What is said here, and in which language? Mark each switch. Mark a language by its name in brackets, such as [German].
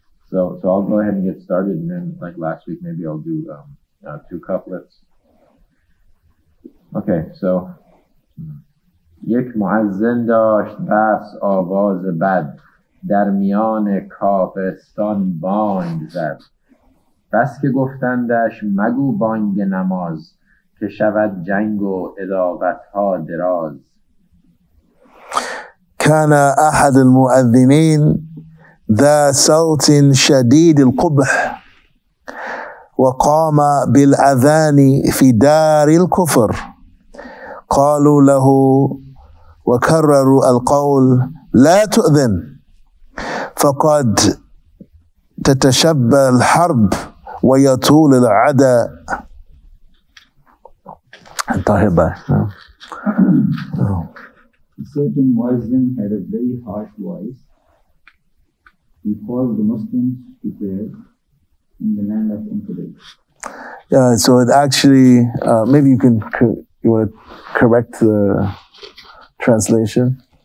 [English] So I'll go ahead and get started, and then like last week, maybe I'll do two couplets. Okay, so [Persian] یک معزن داشت بس آواز بد در میان کافستان بانگ زد بس که گفتندش مگو بانگ نماز که شود جنگ و عداوتها دراز [Arabic] کان احد المؤذنین ذا صوت شدید القبح وقام بالاذان في دار الكفر قالوا له وكرروا القول لا تؤذن فقد تتشبى الحرب ويطول العدا طيب [English] certain muezzin had a very harsh voice. He called the Muslims to prayer in the land of infidels. Yeah, so it actually, maybe you want to correct the translation?